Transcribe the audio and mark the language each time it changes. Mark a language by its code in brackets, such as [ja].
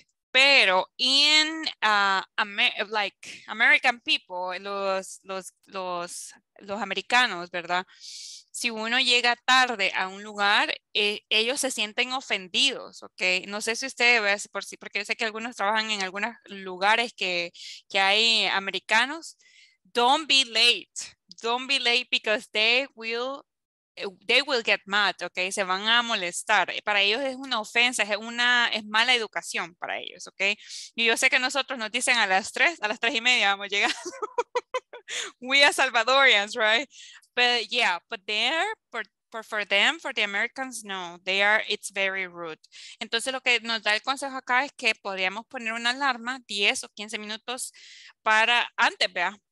[es] Pero [en] in like American people, [es] los americanos, ¿verdad? Si uno llega tarde a un lugar, ellos se sienten ofendidos, ¿ok? No sé si ustedes, porque yo sé que algunos trabajan en algunos lugares que hay americanos. [en] Don't be late. Don't be late because they will get mad, okay? [es] Se van a molestar. Para ellos es una ofensa, es mala educación para ellos, okay? Y yo sé que nosotros nos dicen a las tres y media vamos llegando. [en] We are Salvadorians, right? But yeah, but there, for the Americans, no. They are, it's very rude. [es] Entonces lo que nos da el consejo acá es que podríamos poner una alarma 10 o 15 minutos para antes, ¿verdad?